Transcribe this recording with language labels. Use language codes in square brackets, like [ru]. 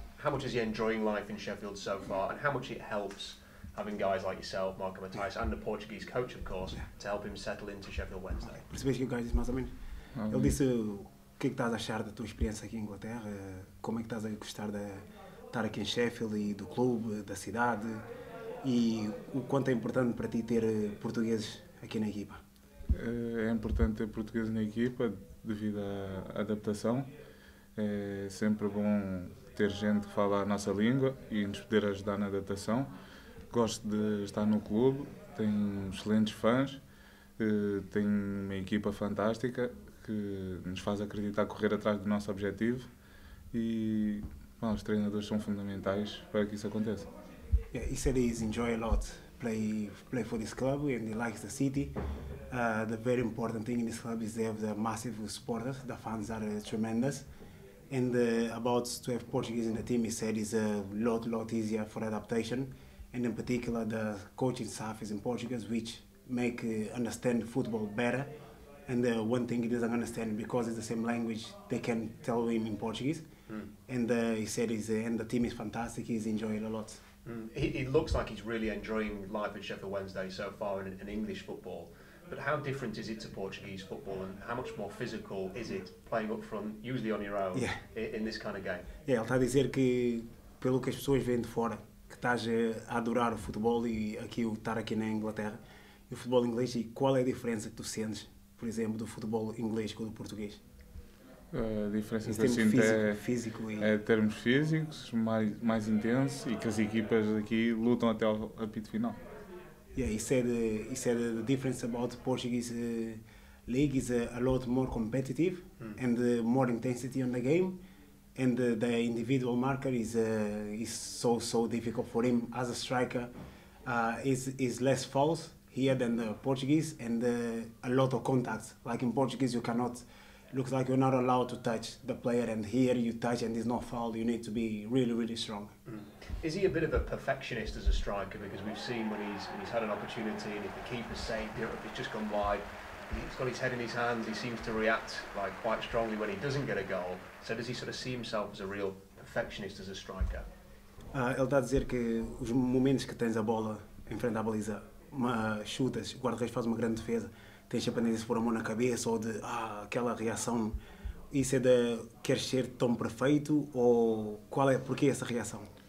[en] how much is he enjoying life in Sheffield so far, and how much it helps having guys like yourself, Marco Matthijs, and a Portuguese coach, of course, to help him settle into Sheffield Wednesday. [pt] Percebeste que o gajo disse mais ou menos? Ele disse, o que é que estás a achar da tua experiência aqui em Inglaterra? Como é que estás a gostar de estar aqui em Sheffield e do clube, da cidade? E o quanto é importante para ti ter portugueses aqui na equipa? É importante ter portugueses na equipa devido à adaptação. É sempre bom ter gente que fala a nossa língua e nos poder ajudar na adaptação. Gosto de estar no clube, tenho excelentes fãs, tenho uma equipa fantástica que nos faz acreditar correr atrás do nosso objetivo e bom, os treinadores são fundamentais para que isso aconteça. [en] Yeah, he said he's enjoyed a lot play for this club and he likes the city. The very important thing in this club is they have the massive supporters. The fans are tremendous. And about to have Portuguese in the team, he said it's a lot easier for adaptation. And in particular, the coaching staff is in Portuguese, which make understand football better. And one thing he doesn't understand, because it's the same language, they can tell him in Portuguese. And he said and the team is fantastic. He's enjoying it a lot. He looks like he's really enjoying life at Sheffield Wednesday so far in English football. But how different is it to Portuguese football, and how much more physical is it playing up front, usually on your own, in this kind of game? [pt] Yeah, ele está a dizer que, pelo que as pessoas veem de fora, que estás a adorar o futebol e aqui o estar aqui na Inglaterra, e o futebol inglês, e qual é a diferença que tu sentes, por exemplo, do futebol inglês com o português? A diferença que eu sinto é termos físicos, mais intenso, e que as equipas aqui lutam até ao apito final. [en] Yeah, he said the difference about Portuguese league is a lot more competitive and more intensity on the game, and the individual marker is so difficult for him as a striker. Is less false here than the Portuguese, and a lot of contacts. Like in Portuguese, looks like you're not allowed to touch the player, and here you touch and it's not foul. You need to be really, really strong. Is he a bit of a perfectionist as a striker? Because we've seen when he's had an opportunity and if the keeper's saved it, if it's just gone wide, he's got his head in his hands, he seems to react like quite strongly when he doesn't get a goal. So does he sort of see himself as a real perfectionist as a striker? [pt] Ele está a dizer que os momentos que tens a bola em frente à baliza, chutas, o guarda-redes faz uma grande defesa, tens sempre a tendência de pôr a mão na cabeça ou de aquela reação. Isso é de queres ser tão perfeito ou qual é, porquê essa reação?